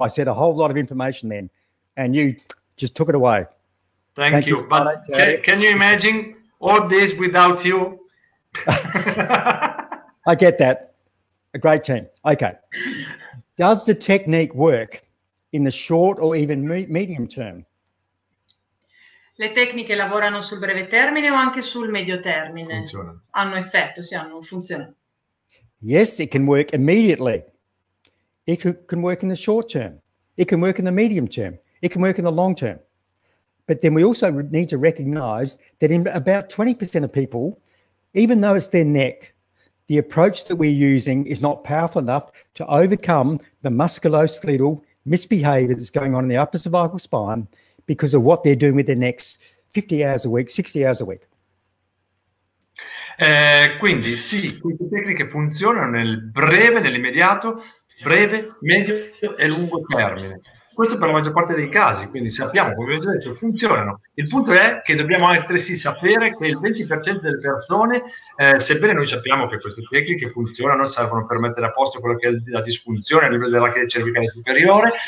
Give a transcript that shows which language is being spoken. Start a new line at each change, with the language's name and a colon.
English: I said a whole lot of information then, and you just took it away. Thank you. But can you imagine all this without you? I get that. A great team. Okay. Does the technique work in the short or even medium term?
Italian: Le tecniche lavorano sul breve termine o anche sul medio termine? Funziona. Hanno effetto, sì, hanno funzionato.
English: Yes, it can work immediately. It can work in the short term. It can work in the medium term. It can work in the long term. But then we also need to recognize that in about 20% of people, even though it's their neck, the approach that we're using is not powerful enough to overcome the musculoskeletal misbehavior that's going on in the upper cervical spine because of what they're doing with their necks 50 hours a week, 60 hours a week.
Italian: Quindi sì, queste tecniche funzionano nel breve, nell'immediato, breve, medio e lungo termine. Questo per la maggior parte dei casi, quindi sappiamo, come vi ho detto, funzionano. Il punto è che dobbiamo altresì sapere che il 20% delle persone, sebbene noi sappiamo che queste tecniche funzionano, servono per mettere a posto quello che è la disfunzione a livello della rachide cervicale superiore,